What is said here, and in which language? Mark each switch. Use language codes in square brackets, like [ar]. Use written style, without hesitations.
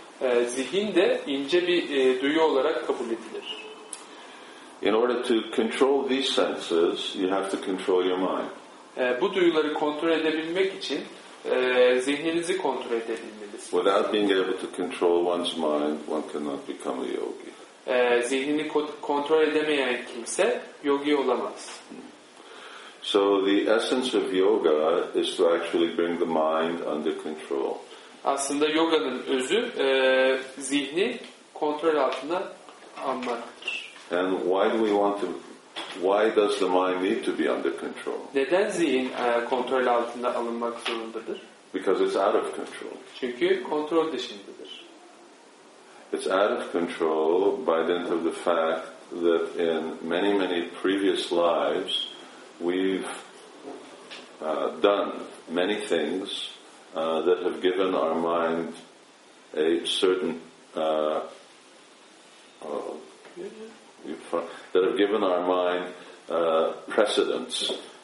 [tr] Zihin de ince bir duyu olarak kabul edilir. [en] In order to control these senses, you have to control your mind. [tr] Bu duyuları kontrol edebilmek için zihninizi kontrol edebilmelisiniz. [en] Without being able to control one's mind, one cannot become a yogi. [tr] Zihnini kontrol edemeyen kimse yogi olamaz. [en] So the essence of yoga is to actually bring the mind under control. [tr] Aslında yoganın özü zihni kontrol altına almaktır. [en] And why do we want to? Why does the mind need to be under control? [tr] Neden zihin kontrol altında alınmak zorundadır? [en] Because it's out of control. [tr] Çünkü kontrol dışındadır. [en] It's out of control by dint of the fact that in many, many previous lives we've done many things that have given our mind a certain that have given our mind precedence.